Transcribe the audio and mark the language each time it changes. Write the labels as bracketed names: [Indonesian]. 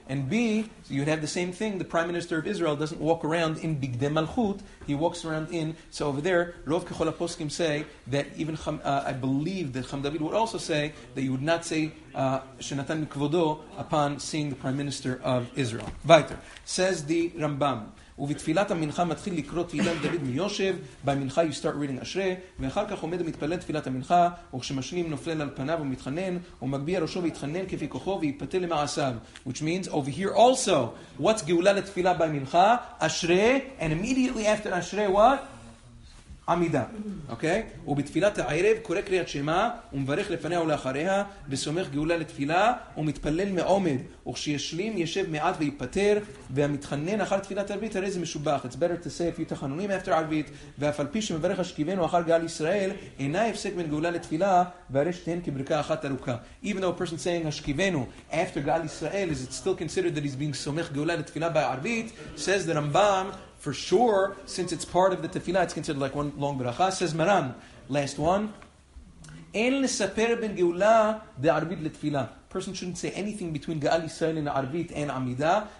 [English] And B, you'd have the same thing. The Prime Minister of Israel doesn't walk around in Bigdei Malchut. He walks around in... So over there, Rov Kechol HaPoskim say that even... I believe that Chacham David would also say that you would not say Shenatan Mikvodo upon seeing the Prime Minister of Israel. Weiter. Says the Rambam. [Hebrew] ובתפילת המנחה מתחיל לקרוא תהילת דוד מיושב, במנחה [English] you start reading [Hebrew] אשרי, ואחר כך עומד ומתפלל תפילת המנחה, וכשמשלים נופלל על פניו ומתחנן, ומגביה ראשו והתחנן כפי כוחו ויפתה למעשיו. [English] Which means, over here also, what's גאולה לתפילה במנחה? אשרי, and immediately after אשרי, what? עמידה. Okay? [Hebrew] ובתפילת הערב קורא קריאת שמה, ומברך לפניה ולאחריה, וסומך גאולה לתפילה, ומתפלל מעומד. וכשישלים ישב מעט ויפטר והמתחנן אחר תפילת ערבית הרי זה משובח. [English] It's better to say a few תחנונים after ערבית [Hebrew] ואף על פי שמברך השכיבנו אחר גאל ישראל אינה הפסק בין גאולה לתפילה והרי שתיהן כברכה אחת ארוכה. [English] Even though a person saying השכיבנו after גאל ישראל, is it still considered that he's being סומך גאולה לתפילה בערבית? Says the Rambam, for sure, since it's part of the תפילה, it's considered like one long ברכה. [Hebrew] Says מרן, [English] last one, [Hebrew] אין לספר בין גאולה בערבית לתפילה. [English] Person shouldn't say anything between Gaal Yisrael and Arvit and Amida.